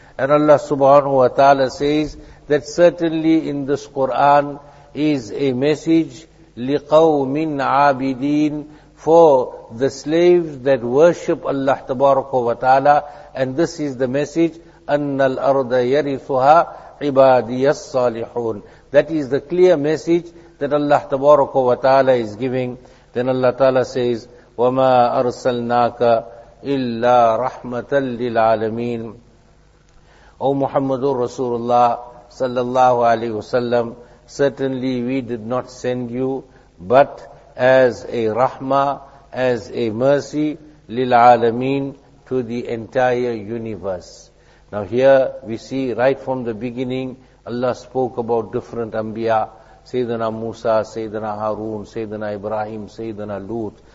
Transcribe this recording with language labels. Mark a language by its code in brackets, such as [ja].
[en] And Allah Subhanahu wa Ta'ala says that certainly in this Quran is a message [ar] liqawmin abidin, [en] for the slaves that worship Allah Tabaraka wa Ta'ala. And this is the message, [ar] أَنَّ الْأَرْضَ يَرِثُهَا عِبَادِيَ الصَّالِحُونَ. [en] That is the clear message that Allah Tabaraka wa Ta'ala is giving. Then Allah Ta'ala says, [ar] وَمَا أَرْسَلْنَاكَ إِلَّا رَحْمَةً لِلْعَالَمِينَ. [en] O Muhammadur Rasulullah sallallahu alayhi wa sallam, certainly we did not send you but as a rahmah, as a mercy, lil alameen, to the entire universe. Now here we see right from the beginning, Allah spoke about different anbiya, Sayyidina Musa, Sayyidina Harun, Sayyidina Ibrahim, Sayyidina Lut.